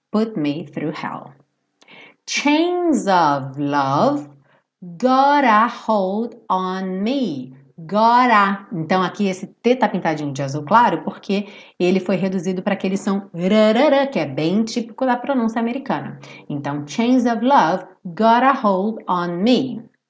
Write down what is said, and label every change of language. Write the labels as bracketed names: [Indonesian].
[English] Put me through hell. Chains of love got a hold on me. Got a. [Portuguese] Então, aqui esse T tá pintadinho de azul claro porque ele foi reduzido para aquele som rarara, que é bem típico da pronúncia americana. [English] Então, chains of love got a hold on me.